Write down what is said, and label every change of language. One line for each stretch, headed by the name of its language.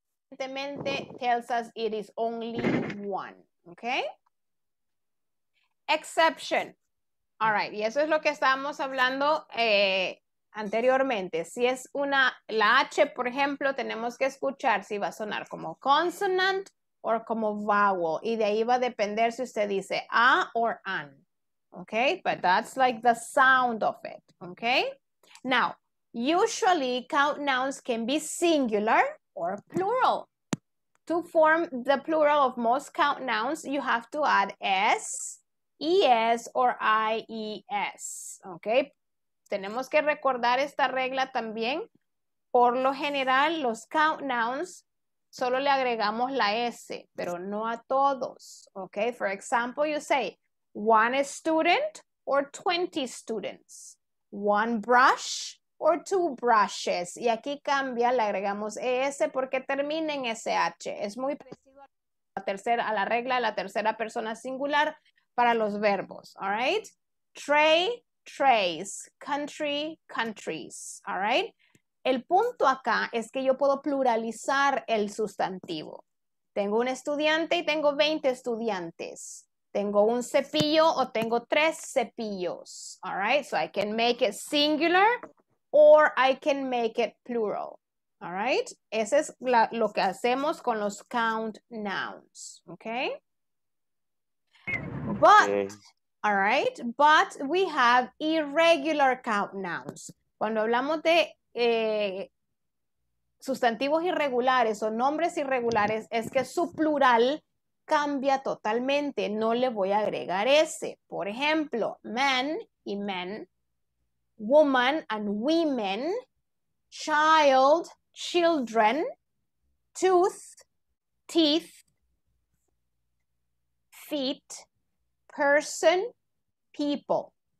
Spanish: evidentemente
English: tells us it is only one, okay? Exception. All right,
Spanish: y eso es lo que estábamos hablando anteriormente. Si es una, la H, por ejemplo, tenemos que escuchar si va a sonar como consonant o como vowel. Y de ahí va a depender si usted dice a or an.
English: Okay, but that's like the sound of it. Okay, now, usually count nouns can be singular or plural. To form the plural of most count nouns, you have to add s, es, or ies.
Spanish: Okay, tenemos que recordar esta regla también. Por lo general, los count nouns solo le agregamos la s, pero no a todos.
English: Okay, for example, you say one student or 20 students, one brush or two brushes.
Spanish: Y aquí cambia, le agregamos es porque termina en sh. Es muy parecido a la regla de la tercera persona singular para los verbos.
English: All right, tray, trays, country, countries. All right,
Spanish: el punto acá es que yo puedo pluralizar el sustantivo. Tengo un estudiante y tengo 20 estudiantes. Tengo un cepillo o tengo tres cepillos.
English: All right, so I can make it singular or I can make it plural. All right,
Spanish: ese es lo que hacemos con los count nouns.
English: Okay, but okay. All right, but we have irregular count nouns.
Spanish: Cuando hablamos de sustantivos irregulares o nombres irregulares, es que su plural cambia totalmente, no le voy a agregar ese. Por ejemplo,
English: man y men, woman and women, child, children, tooth, teeth, feet, person, people.